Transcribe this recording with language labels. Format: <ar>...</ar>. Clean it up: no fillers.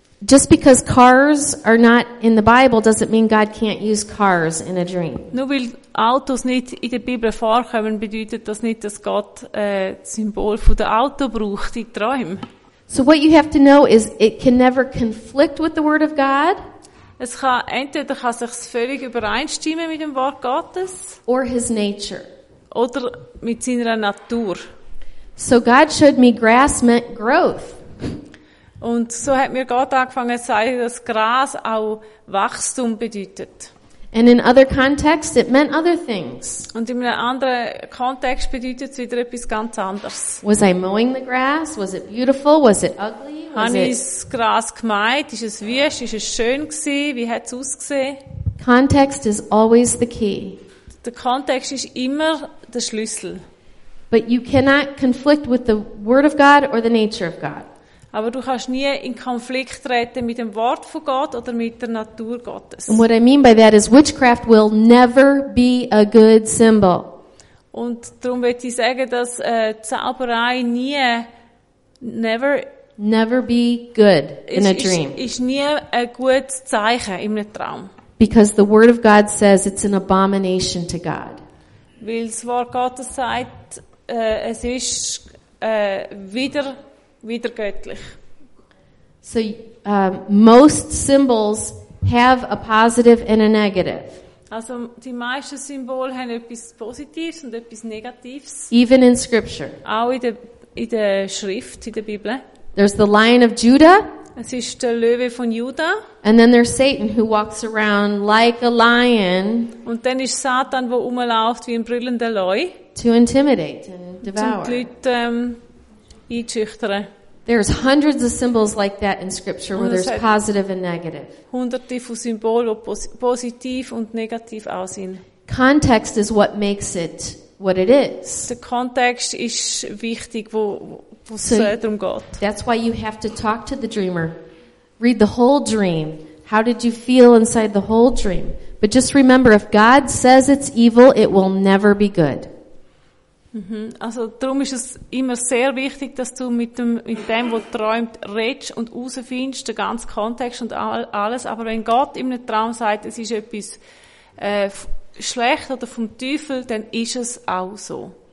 <en>Just because cars are not in the Bible doesn't mean God can't use cars in a dream.</en> <de>Nur weil Autos nicht in der Bibel vorkommen, bedeutet das nicht, dass Gott das Symbol von dem Auto braucht in Träumen.</de> <en>So what you have to know is it can never conflict with the Word of God.</en> <de>Es kann entweder kann sich völlig übereinstimmen mit dem Wort Gottes.</de> <en>Or His nature.</en> <de>Oder mit seiner Natur.</de> <en>So God showed me grass meant growth.</en> <de>Und so hat mir Gott angefangen zu zeigen, dass Gras auch Wachstum bedeutet.</de> <en>And in other contexts it meant other things.</en> <de>Und in einem anderen Kontext bedeutet es wieder etwas ganz anderes.</de> <en>Was I mowing the grass? Was it beautiful? Was it ugly?</en> <de>Habe ich das Gras gemäht? Ist es wüst? Ist es schön gewesen? Wie hat es ausgesehen?</de> <en>Context is always the key.</en> <de>Der Kontext ist immer der Schlüssel.</de> <en>But you cannot conflict with the Word of God or the nature of God.</en> <de>Aber du kannst nie in Konflikt treten mit dem Wort von Gott oder mit der Natur Gottes.</de> <en>And what I mean by that is witchcraft will never be a good symbol.</en> <de>Und darum möchte ich sagen, dass Zauberei nie</de> <en>never be good in a dream.</en> <de>Ist nie ein gutes Zeichen in einem Traum.</de> <en>Because the Word of God says it's an abomination to God.</en> <de>Weil das Wort Gottes sagt, es ist wieder göttlich.</de> <en>So most symbols have a positive and a negative.</en> <de>Also die meisten Symbole haben etwas Positives und etwas Negatives.</de> <en>Even in Scripture.</en> <de>Auch in der Schrift, in der Bibel.</de> <en>There's the Lion of Judah.</en> <de>Es ist der Löwe von Juda.</de> <en>And then there's Satan who walks around like a lion.</en> <de>Und dann ist Satan, wo umelauft wie ein brüllender Löwe.</de> <en>To intimidate and devour.</en> <de>Zum Leute, einschüchtern.</de> <en>There's hundreds of symbols like that in Scripture where there's positive and negative.</en> <de>Hunderte von Symbolen, wo positiv und negativ aussehen.</de> <en>Context is what makes it what it is.</en> <de>Der Kontext ist wichtig, wo es darum geht.</de> <en>That's why you have to talk to the dreamer. Read the whole dream. How did you feel inside the whole dream? But just remember, if God says it's evil, it will never be good.</en> <de>Also, darum ist es immer sehr wichtig, dass du mit dem, was träumt, redest und herausfindest, den ganzen Kontext und alles. Aber wenn Gott in einem Traum sagt, es ist etwas schlecht oder vom Teufel, dann ist es auch so.</de>